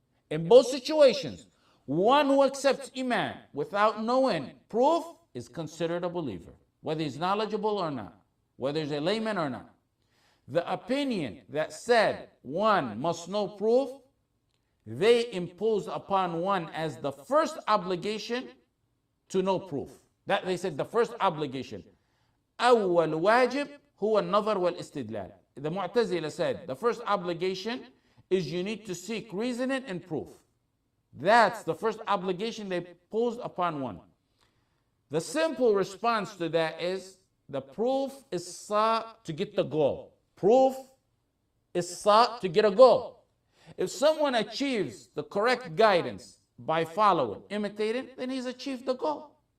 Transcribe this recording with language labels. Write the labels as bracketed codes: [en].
[en] In both situations, one who accepts iman without knowing proof is considered a believer, whether he's knowledgeable or not, whether he's a layman or not. The opinion that said one must know proof, they imposed upon one as the first obligation to know proof. That they said the first obligation. [ar] أول واجب هو النظر والاستدلال. [en] The Mu'tazila said the first obligation is you need to seek reasoning and proof. That's the first obligation they posed upon one. The simple response to that is the proof is sought to get the goal. Proof is sought to get a goal. If someone achieves the correct guidance by following, imitating, then he's achieved the goal.